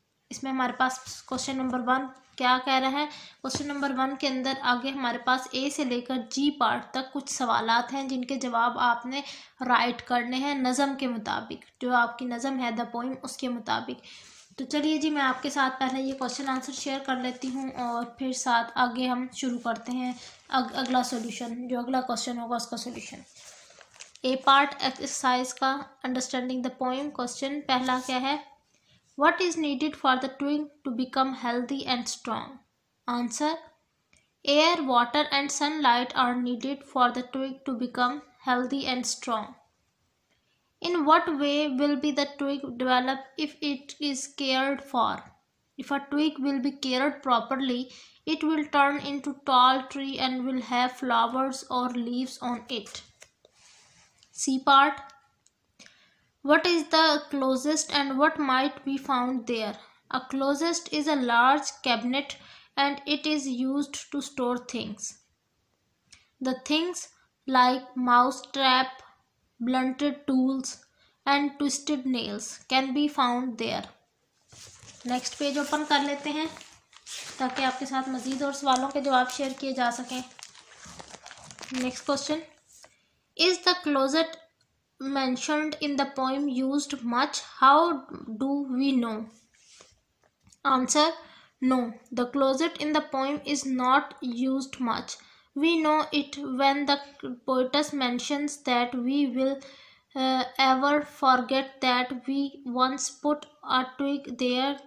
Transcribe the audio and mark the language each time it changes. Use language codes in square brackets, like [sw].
[ur] اس میں ہمارے پاس question number one کیا کہہ رہا ہے. کوشچن نمبر ون کے اندر آگے ہمارے پاس اے سے لے کر جی پارٹ تک کچھ سوالات ہیں, جن کے جواب آپ نے رائٹ کرنے ہیں نظم کے مطابق, جو آپ کی نظم ہے [en] the poem [ur] اس کے مطابق. تو چلیے جی, میں آپ کے ساتھ پہلے یہ کوشچن آنسر شیئر کر لیتی ہوں, اور پھر ساتھ آگے ہم شروع کرتے ہیں اگلا سولوشن, جو اگلا کوشچن ہوگا اس کا سولوشن. اے پارٹ ایکسرسائز کا [en] understanding the poem [ur] کوشچن پہلا کیا ہے. [en] What is needed for the twig to become healthy and strong? Answer: Air, water and sunlight are needed for the twig to become healthy and strong. In what way will be the twig develop if it is cared for? If a twig will be cared properly, it will turn into a tall tree and will have flowers or leaves on it. C part: What is the closest and what might be found there? A closest is a large cabinet and it is used to store things. The things like mouse trap, blunted tools and twisted nails can be found there. Next page open [ur] کر لیتے ہیں تاکہ آپ کے ساتھ مزید اور سوالوں کے جواب شیئر کیے جا سکیں. [en] Next question: Is the closet mentioned in the poem used much? How do we know? Answer: No, the closet in the poem is not used much. We know it when the poetess mentions that we will ever forget that we once put a twig there.